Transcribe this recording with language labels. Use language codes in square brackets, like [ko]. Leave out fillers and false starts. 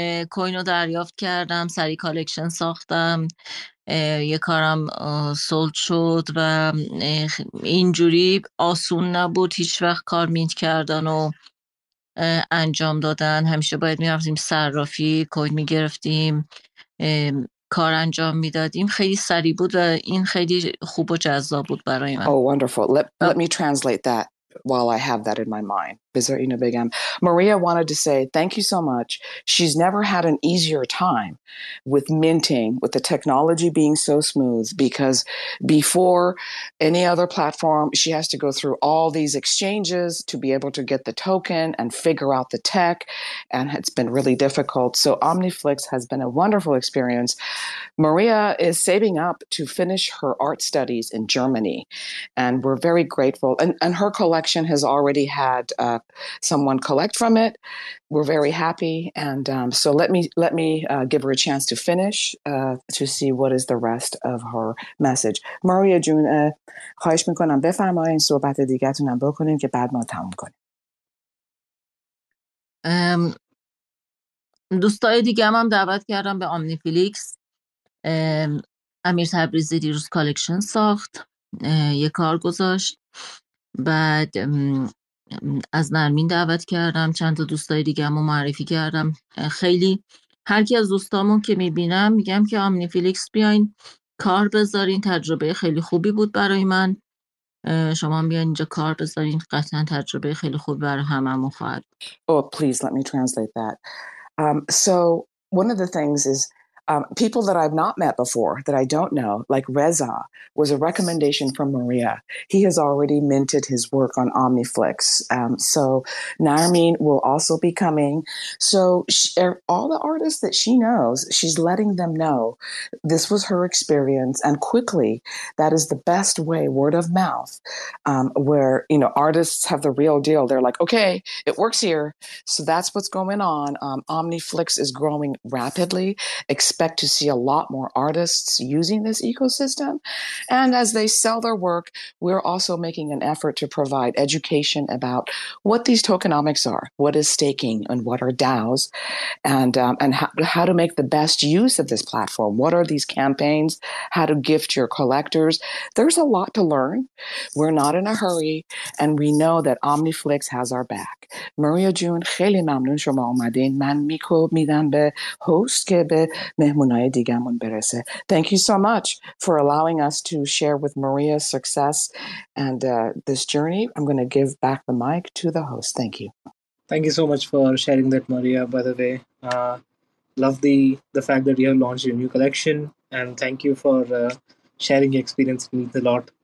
[fa] کوینو دریافت کردم، سری کالکشن ساختم، یه کارم سولد شد و اینجوری آسون نبود هیچ وقت کار مینت کردن و انجام دادن. همیشه باید می‌رفتیم صرافی، کوین می‌گرفتیم، کار انجام میدادیم. خیلی سریع بود و این خیلی خوب و جذاب بود برای من. [en] Oh, wonderful. Let me translate that while I have that in my mind. Bizarina began. Maria wanted to say thank you so much. She's never had an easier time with minting, with the technology being so smooth, because before any other platform, she has to go through all these exchanges to be able to get the token and figure out the tech, and it's been really difficult. So OmniFlix has been a wonderful experience. Maria is saving up to finish her art studies in Germany, and we're very grateful. And her collection has already had someone collect from it. We're very happy, and so let me give her a chance to finish to see what is the rest of her message. [fa] Maria Jun, خواهش میکنم بفرمایید صحبت دیگه‌تون هم بکنید که بعد ما تموم کنیم. دوستای دیگه هم دعوت کردم به OmniFlix. امیر تبریزی دیروز کالکشن ساخت، یه کار گذاشت. بعد از نرمین دعوت کردم، چند تا دوستای دیگه هم معرفی کردم. خیلی هر کی از دوستامون که میبینم میگم که OmniFlix بیاین کار بذارین، تجربه خیلی خوبی بود برای من. شما هم بیاین اینجا کار بذارین، قطعا تجربه خیلی خوب برای هممون خواهد. [en] Oh, please let me translate that. So one of the things is people that I've not met before that I don't know, like Reza, was a recommendation from Maria. He has already minted his work on OmniFlix. So Narmin will also be coming. So all the artists that she knows, she's letting them know this was her experience. And quickly, that is the best way, word of mouth, where, you know, artists have the real deal. They're like, okay, it works here. So that's what's going on. OmniFlix is growing rapidly. Expect to see a lot more artists using this ecosystem. And as they sell their work, we're also making an effort to provide education about what these tokenomics are, what is staking and what are DAOs, and how to make the best use of this platform. What are these campaigns? How to gift your collectors? There's a lot to learn. We're not in a hurry, and we know that OmniFlix has our back. [fa] Maria June, خیلی ممنون شما اومدین. من میکو میدم به هست که به مهمونای دیگمون برسه. [en] Thank you so much for allowing us to share with Maria's success and this journey. I'm going to give back the mic to the host. Thank you. Thank you so much for sharing that, Maria, by the way. Love the fact that you have launched your new collection, and thank you for sharing your experience with me a lot.